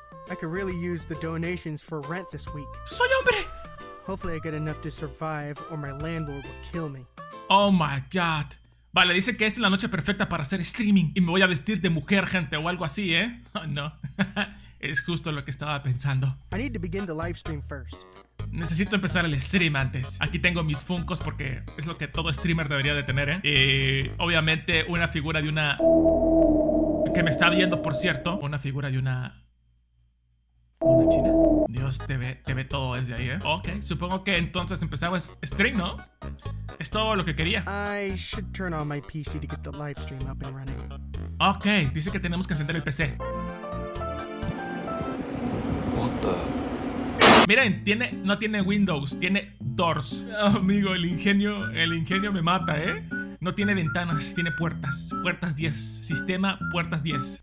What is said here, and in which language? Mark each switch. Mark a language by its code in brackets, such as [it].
[en] I could really use the donations for rent this week. [es] ¡Soy hombre! [en] Hopefully I get enough to survive or my landlord will kill me. Oh my god. [es] Vale, dice que es la noche perfecta para hacer streaming y me voy a vestir de mujer, gente, o algo así, ¿eh? Oh, no. Es justo lo que estaba pensando. [en] I need to begin the live stream first. [es] Necesito empezar el stream antes. Aquí tengo mis Funkos porque es lo que todo streamer debería de tener, ¿eh? Y obviamente una figura de una... que me está viendo, por cierto. Una figura de una... una china. Dios, te ve todo desde ahí, ¿eh? Ok, supongo que entonces empezamos stream, ¿no? Es todo lo que quería. [en] I should turn on my PC to get the live stream up and running. [es] Ok, dice que tenemos que encender el PC. [en] What the... [es] Miren, tiene, no tiene Windows, tiene doors. Amigo, el ingenio me mata, ¿eh? No tiene ventanas, tiene puertas. Puertas 10. Sistema, puertas 10.